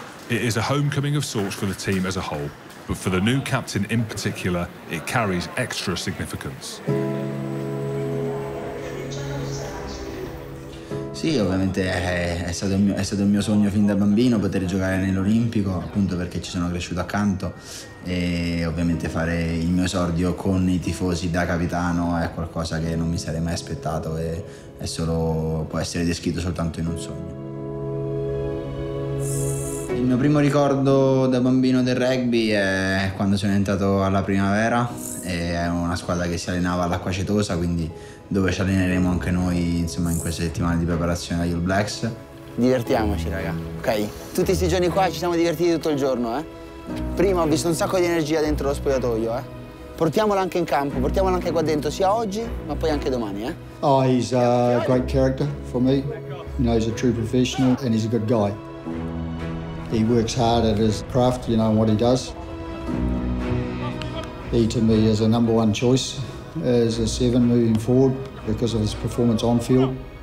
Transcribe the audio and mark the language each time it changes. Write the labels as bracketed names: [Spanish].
[English] It is a homecoming of sorts for the team as a whole, but for the new captain in particular, it carries extra significance. [Italian] Sì, ovviamente è stato il mio sogno fin da bambino poter giocare nell'Olimpico, appunto perché ci sono cresciuto accanto e ovviamente fare il mio esordio con I tifosi da capitano è qualcosa che non mi sarei mai aspettato e è solo può essere descritto soltanto in un sogno. Il mio primo ricordo da bambino del rugby è quando sono entrato alla Primavera e è una squadra che si allenava all'Acqua Cetosa, quindi dove ci alleneremo anche noi, insomma, in queste settimane di preparazione agli All Blacks. Divertiamoci, raga. Ok? Tutti questi giorni qua ci siamo divertiti tutto il giorno, eh? Prima ho visto un sacco di energia dentro lo spogliatoio, eh? Portiamola anche in campo, portiamola anche qua dentro, sia oggi, ma poi anche domani, eh? [English] Oh, he's a great character for me. You know, he's a true professional and he's a good guy. He works hard at his craft, you know, and what he does. He, to me, is a number one choice as a seven moving forward because of his performance on field.